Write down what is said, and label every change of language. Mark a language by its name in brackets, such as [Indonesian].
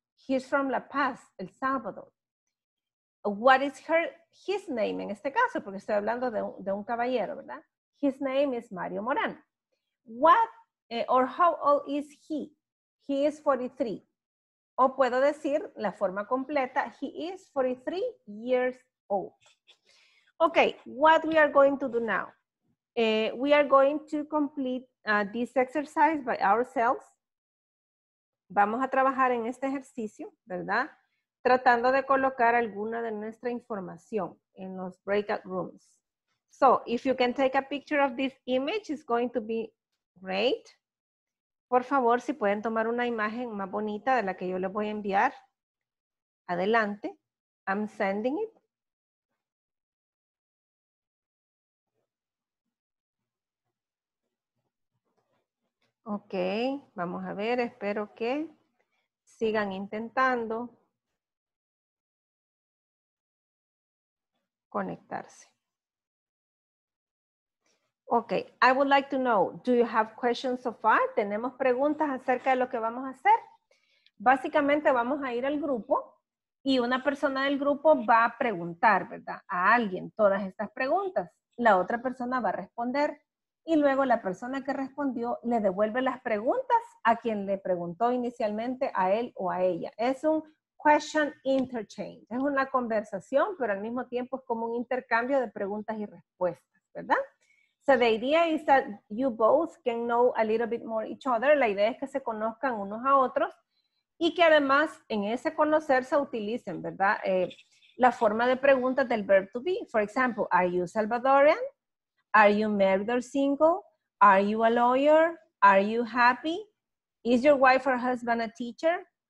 [English] He's from La Paz, El Salvador. What is his name [Spanish] en este caso? Porque estoy hablando de un caballero, ¿verdad? [English] His name is Mario Morán. What or how old is he? He is 43. [Spanish] O puedo decir la forma completa, [English] he is 43 years old. Okay, what we are going to do now? We are going to complete this exercise by ourselves. [Spanish] Vamos a trabajar en este ejercicio, ¿verdad? Tratando de colocar alguna de nuestra información en los breakout rooms. [English] So, if you can take a picture of this image, it's going to be great. [Spanish] Por favor, si pueden tomar una imagen más bonita de la que yo les voy a enviar. Adelante. I'm sending it. Ok, vamos a ver, espero que sigan intentando conectarse. [English] Ok, I would like to know, do you have questions so far? [Spanish] ¿Tenemos preguntas acerca de lo que vamos a hacer? Básicamente vamos a ir al grupo y una persona del grupo va a preguntar, ¿verdad? A alguien todas estas preguntas. La otra persona va a responder y luego la persona que respondió le devuelve las preguntas a quien le preguntó inicialmente, a él o a ella. Es un [English] question interchange. [Spanish] Es una conversación, pero al mismo tiempo es como un intercambio de preguntas y respuestas, ¿verdad? [English] So the idea is that you both can know a little bit more each other. [Spanish] La idea es que se conozcan unos a otros y que además en ese conocer se utilicen, ¿verdad? La forma de preguntas del [English] verb to be. For example, are you Salvadorian? Are you married or single? Are you a lawyer? Are you happy? Is your wife or husband a teacher?